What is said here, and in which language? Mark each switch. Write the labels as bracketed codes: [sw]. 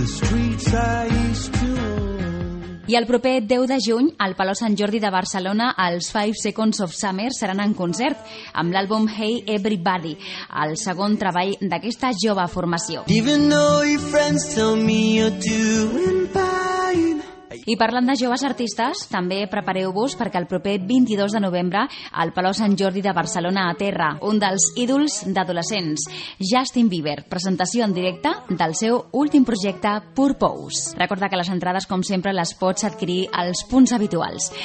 [ca] I el proper 10 de juny, al Palau Sant Jordi de Barcelona, els 5 Seconds of Summer seran en concert amb l'àlbum Hey Everybody, el segon treball d'aquesta jove formació. [en] Even though your friends tell me you're doing fine. [ca] I parlant de joves artistes, també prepareu-vos perquè el proper 22 de novembre al Palau Sant Jordi de Barcelona aterra un dels ídols d'adolescents, Justin Bieber, presentació en directe del seu últim projecte Purpose. Recorda que les entrades, com sempre, les pots adquirir als punts habituals.